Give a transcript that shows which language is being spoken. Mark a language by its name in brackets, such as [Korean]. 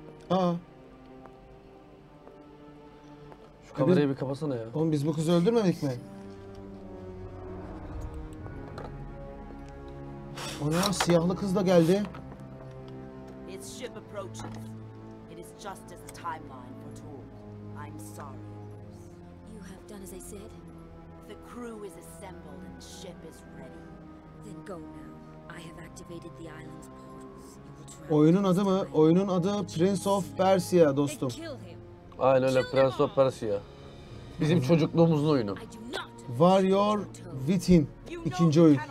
[Turkish] Aa. Şu kamerayı bir kapasana ya. Oğlum biz bu kızı öldürmedik mi? O ne lan, siyahlı kız da geldi. [English] It's ship approaches. It is just as the timeline foretold. I'm sorry. As I said, the crew is assembled and ship is ready. Then go now. I have activated the island's portals. [Turkish] Oyunun adı mı? Oyunun adı Prince of Persia dostum. Aynen öyle, Prince of Persia. Bizim çocukluğumuzun oyunu. Warrior Within ikinci oyun.